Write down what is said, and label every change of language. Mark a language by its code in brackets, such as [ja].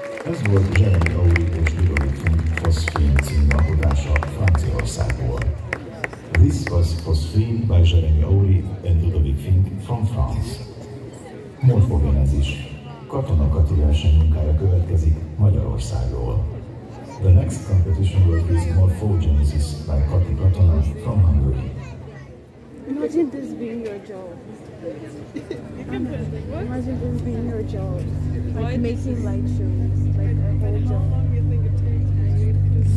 [hu] Ez volt Jeremy Audi és Ludovic von Phosphine címalkodása Franciaországból. [en] This was Phosphine by Jeremy Audi and Ludovic Fink from France. [hu] Morfogén ez is. Katona Kati verseny munkája következik Magyarországról. [en] The next competition work is Morphogenesis by Kati Katona from Hungary. Imagine this being your job. Imagine this being your job. Like making light shows. Like how long you think it takes?